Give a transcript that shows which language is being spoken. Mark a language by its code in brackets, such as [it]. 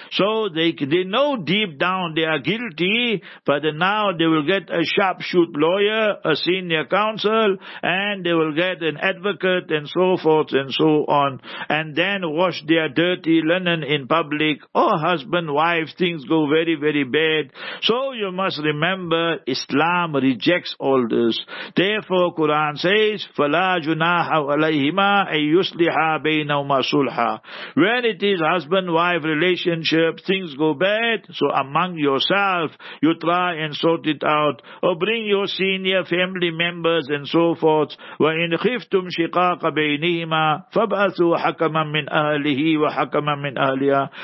[en] So, they know deep down they are guilty, but now they will get a sharp shoot lawyer, a senior counsel, and they will get an advocate and so forth and so on, and then wash their dirty linen in public. Oh, husband, wife, things go very, very bad. So you must remember, Islam rejects all this. Therefore, Quran says, [ar] فَلَا جُنَاحَ عَلَيْهِمَا أَن يُسْلِحَا بَيْنَهُمَا صُلْحًا. [en] When it is husband-wife relationship, things go bad, so among yourself, you try and sort it out. Oh, bring your senior family members and so forth. [ar] وَإِنْ خِفْتُمْ شِقَاقَ بَيْنِهِمَا فَبْعَثُوا حَكَمًا مِّنْ أَهْلِهِ وَحَكَمًا مِّنْ أَهْلِهَا.